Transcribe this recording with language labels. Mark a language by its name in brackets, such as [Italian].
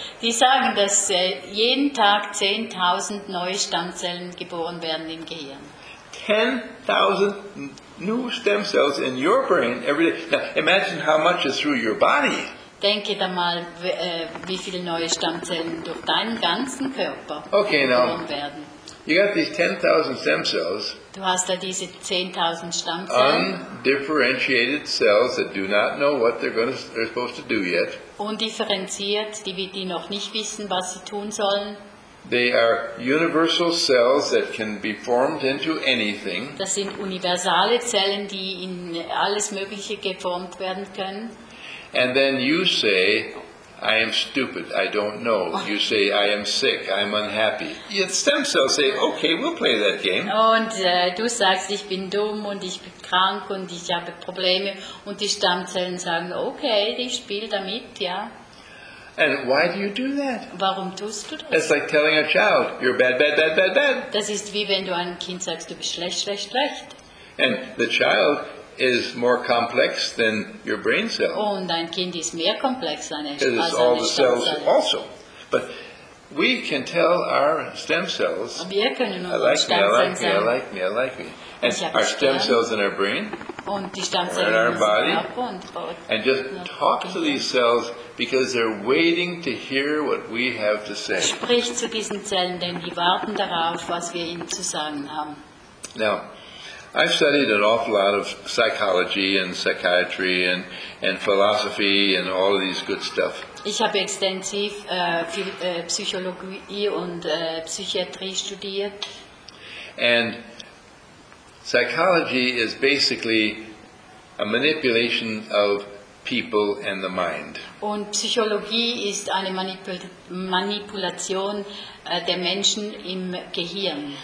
[German] Die sagen, dass jeden Tag 10,000 neue Stammzellen geboren werden im Gehirn. [English] 10,000 new stem cells in your brain every day. Now, imagine how much is through your body. [German] Denke da mal, wie viele neue Stammzellen durch deinen ganzen Körper [English] okay, [German] geboren [English] now, [German] werden. [English] You got these 10,000 stem cells. [German] Du hast da diese 10,000 Stammzellen. [English] Undifferentiated cells that do not know what they're supposed to do yet. [German] Undifferenziert, die noch nicht wissen, was sie tun sollen. [English] They are universal cells that can be formed into anything. [German] Das sind universale Zellen, die in alles Mögliche geformt werden können. [English] And then you say, I am stupid, I don't know. You say, I am sick, I am unhappy. Yet stem cells say, okay, we'll play that game. [German] Und du sagst, ich bin dumm und ich bin krank und ich habe Probleme. Und die Stammzellen sagen, okay, ich spiele damit, ja. [English] And why do you do that? [German] Warum tust du das? [English] It's like telling a child, you're bad, bad, bad, bad, bad. [German] Das ist wie wenn du einem Kind sagst, du bist schlecht, schlecht, schlecht. [English] And the child is more complex than your brain cell. [German] Oh, und dein Kind ist mehr komplex als [English] it is all the cells also. But we can tell our stem cells, [German] wir können unsere [English] I like me. And our stem cells in our brain, [German] und die Stammzellen [English] in our body, and just talk to these cells because they're waiting to hear what we have to say. [German] Sprich zu diesen Zellen, denn die warten darauf, was wir ihnen zu sagen haben. [English] Now, I've studied an awful lot of psychology and psychiatry and philosophy and all of these good stuff. [German] Ich habe extensiv Psychologie und Psychiatrie studiert. [English] And psychology is basically a manipulation of people and the mind. [German] Und Psychologie ist eine Manipulation der Menschen im Gehirn.